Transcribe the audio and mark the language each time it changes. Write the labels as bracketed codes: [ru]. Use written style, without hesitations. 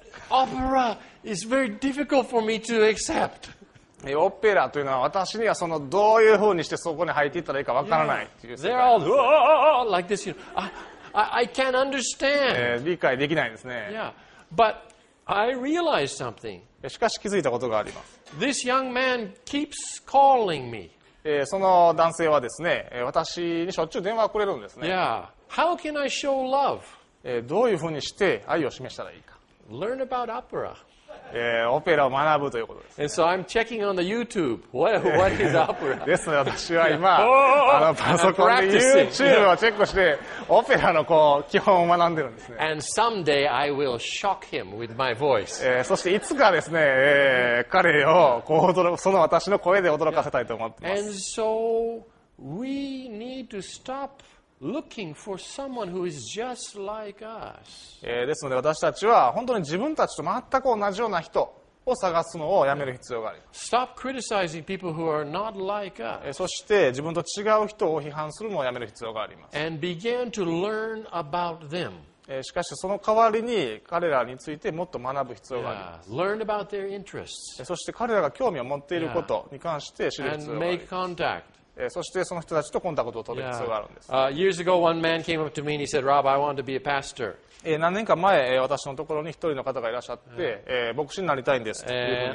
[en] opera is very difficult for me to accept. [ja] オペラというのは私にはそのどういうふうにしてそこに入っていったらいいかわからないっていう世界です。 [en] Yeah. They're all like this. I can't understand. [ja] 理解できないですね。 [en] Yeah. But I realized something. [ja] しかし気づいたことがあります。 [en] This young man keeps calling me. [ja] その男性はですね、私にしょっちゅう電話をくれるんですね。 [en] Yeah. How can I show love? [ja] どういうふうにして愛を示したらいいか。 [en] Learn about opera. [ja] オペラを学ぶということです、ね。 [en] And so I'm checking on the YouTube. What is opera? [ja] ですので私は今、パソコンで YouTube をチェックして、オペラのこう基本を学んでるんですね。 [en] And someday I will shock him with my voice. [ja] そしていつかですね、彼をこう驚その私の声で驚かせたいと思っています。 [en] And so we need to stop. Looking for someone who is just like us. [ja] ですので私たちは本当に自分たちと全く同じような人を探すのをやめる必要があります。 [en] Stop criticizing people who are not like us. [ja] そして自分と違う人を批判するのをやめる必要があります。 [en] And begin to learn about them. [ja] しかしその代わりに彼らについてもっと学ぶ必要があります。 [en] Yeah. Learn about their interests. [ja] そして彼らが興味を持っていることに関して知る必要があります。 [en] And make contact. [ja] そしてその人たちとコンタクトを取る必要があるんです。 [en] Years ago, one man came up to me and he said, Rob, I want to be a pastor. [ja] 何年か前、私のところに一人の方がいらっしゃって、牧師になりたいんですというふうに